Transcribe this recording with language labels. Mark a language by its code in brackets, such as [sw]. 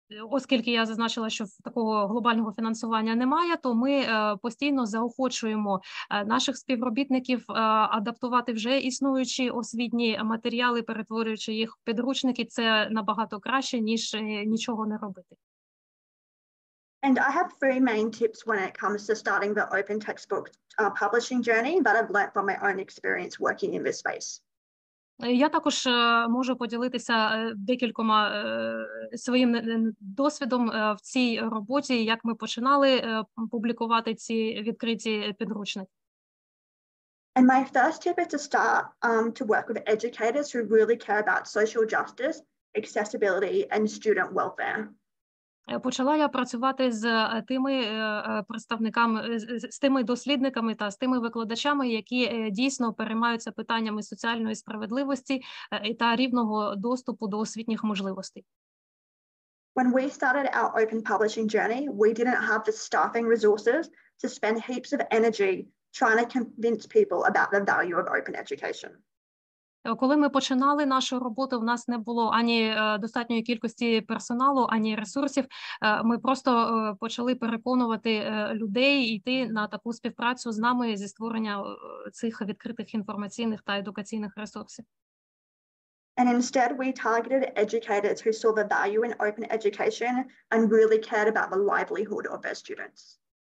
[uk] Оскільки я зазначила, що такого глобального фінансування немає, то ми постійно заохочуємо наших співробітників адаптувати вже існуючі освітні матеріали, перетворюючи їх в підручники. Це набагато краще, ніж нічого не робити. [en] And I have three main tips when it comes to starting the open textbook publishing journey that I've learned from my own experience working in this space. [uk] Я також можу поділитися декількома своїм досвідом в цій роботі, як ми починали публікувати ці відкриті підручники. [en] And my first tip is to start to work with educators who really care about social justice, accessibility and student welfare. [uk] Почала я працювати з тими представниками, з тими дослідниками та з тими викладачами, які дійсно переймаються питаннями соціальної справедливості та рівного доступу до освітніх можливостей. [en] When we started our open publishing journey, we didn't have the staffing resources to spend heaps of energy trying to convince people about the value of open education. [uk] Коли ми починали нашу роботу, в нас не було ані достатньої кількості персоналу, ані ресурсів. Ми просто почали переконувати людей йти на таку співпрацю з нами зі створення цих відкритих інформаційних та едукаційних ресурсів. [en] And instead we targeted educators who saw the value in open education and really cared about the livelihood of their students.